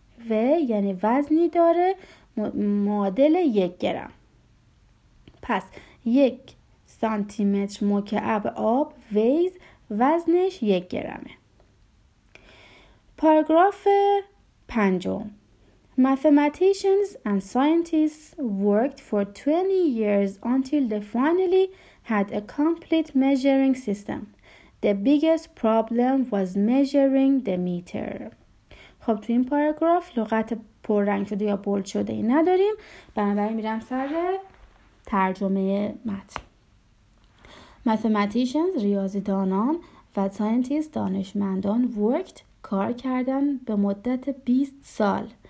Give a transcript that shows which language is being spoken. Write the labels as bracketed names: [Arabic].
[Persian] و یعنی وزنی داره معادل 1 گرم. پس 1 سانتی متر مکعب آب ویز، وزنش 1 گرمه. پاراگراف پنجم، [English] Mathematicians and scientists worked for 20 years until they finally had a complete measuring system. The biggest problem was measuring the meter. [Persian] خب تو این پاراگراف لغت پررنگ شده یا بولد شده ای نداریم. بنابراین میرم سر ترجمه متن. Mathematicians ریاضیدانان و scientists دانشمندان worked کار کردن به مدت 20 سال.